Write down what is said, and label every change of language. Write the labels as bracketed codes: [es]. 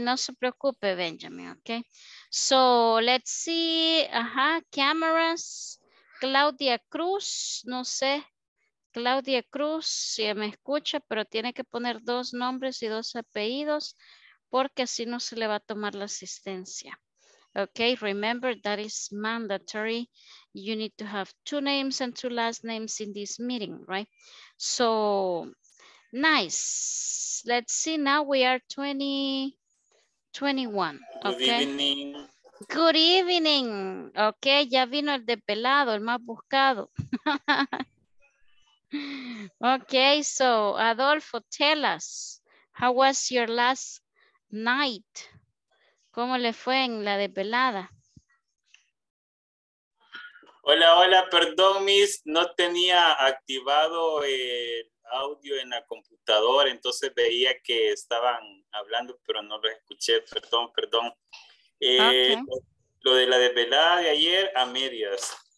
[es] No se preocupe, Benjamin, ok? [en] So, let's see, [es] ajá, cameras, Claudia Cruz, no sé. Claudia Cruz, si me escucha, pero tiene que poner dos nombres y dos apellidos porque así no se le va a tomar la asistencia. [en] Okay, remember that is mandatory. You need to have two names and two last names in this meeting, right? So, nice. Let's see, now we are 2021. Okay. Good evening. Good evening. [es] Okay, ya vino el de pelado, el más buscado. [en] Okay, so Adolfo, tell us, how was your last night? [es] ¿Cómo le fue en la desvelada? Hola, hola, perdón, Miss, no tenía activado el audio en la computadora, entonces veía que estaban hablando, pero no los escuché, perdón, perdón. Okay. Lo de la desvelada de ayer, a medias.